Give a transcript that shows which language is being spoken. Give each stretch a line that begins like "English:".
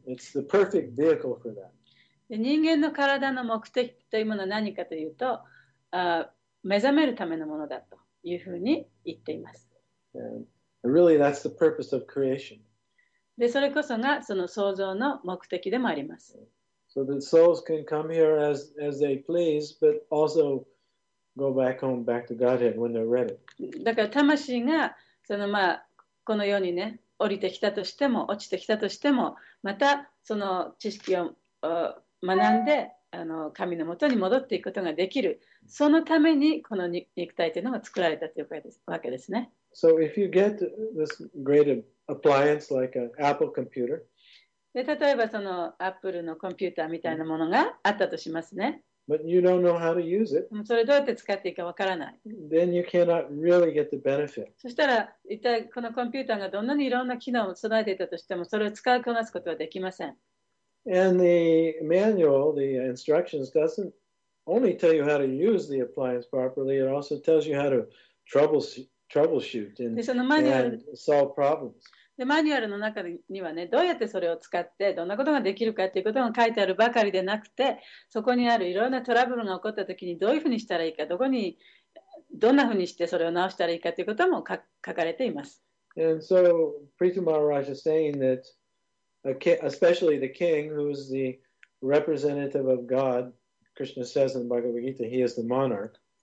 English: It's the perfect vehicle for that.
Japanese: 人間の体の目的というものは何かというと、目覚めるためのものだというふうに言っています。
English: And really, that's the purpose of creation.
Japanese: で、それこそがその創造の目的でもあります。
English: So the souls can come here as they please, but also go back home, back to Godhead when they're ready.
Japanese: だから魂がそのまあこの世にね降りてきたとしても落ちてきたとしてもまたその知識を学んであの神のもとに戻っていくことができるそのためにこの肉体というのが作られたというわけですね。
English: So if you get this great appliance like an Apple computer,
Japanese: で例えばそのアップルのコンピューターみたいなものがあったとしますね。
English: But you don't know how to use it.
Japanese: それどうやって使っていいかわからない。
English: Then you cannot really get the benefit.
Japanese: そしたら一体このコンピューターがどんなにいろんな機能を備えていたとしてもそれを使いこなすことはできません。
English: And the manual, the instructions doesn't only tell you how to use the appliance properly, it also tells you how to troubleshoot and solve problems.
Japanese: で、マニュアルの中にはね、どうやってそれを使って、どんなことができるかっていうことが書いてあるばかりでなくて、そこにあるいろんなトラブルが起こったときにどういうふうにしたらいいか、どこに、どんなふうにしてそれを直したらいいかということも書かれています。
English: And so, Preeti Maharaj is saying that especially the king, who is the representative of God, Krishna says in Bhagavad Gita, he is the monarch.